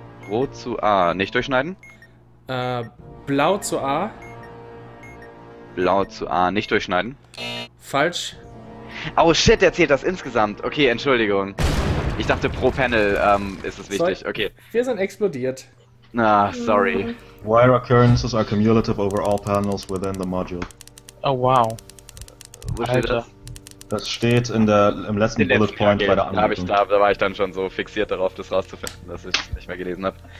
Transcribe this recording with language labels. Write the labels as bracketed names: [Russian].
[German] Rot zu A, nicht durchschneiden. Blau zu A. Blau zu A, nicht durchschneiden. Falsch. Oh shit, der zählt das insgesamt. Okay, Entschuldigung. Ich dachte pro Panel ist es wichtig. Okay. Wir sind explodiert. Ah, sorry. [English] Wire occurrences are cumulative over all panels within the module. Oh wow. [German] Wo steht das? Das steht im letzten Bullet Point bei der Anleitung. Da war ich dann schon so fixiert darauf, das rauszufinden, dass ich es nicht mehr gelesen habe.